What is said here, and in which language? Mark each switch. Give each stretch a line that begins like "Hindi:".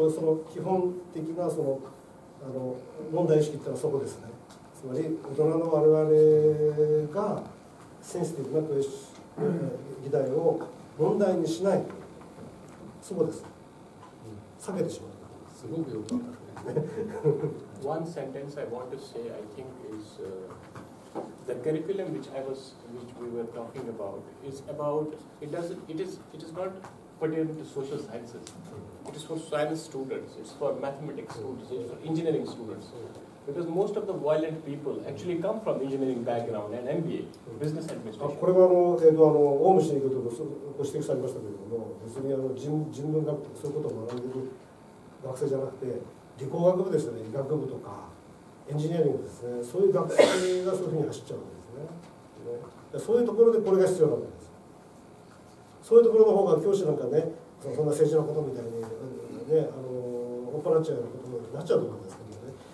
Japanese: でもその基本的なその問題意識っていうのはそこですね。つまり大人の我々がセンシティブな議題を問題にしない、そうです。避けてしまう。すごくよかったね。
English: One sentence I want to say, I think, is the curriculum which we were talking about is about, it is not pertinent to social sciences. It is for science students, it's for mathematics students, it's for engineering students. Because most of the violent people actually come from engineering background and MBA, business administration.
Japanese: これはオウムシにことをご指摘されましたけど、別に人文学とかそういうことを学んでる学生じゃなくて、理工学部ですよね、医学部とかエンジニアリングですね、そういう学生がそういうふうに走っちゃうわけですね。でそういうところでこれが必要なわけです。そういうところの方が教師なんかね、そんな政治のことみたいに、ね、追っ払っちゃうようなことになっちゃうと思うんですけどね。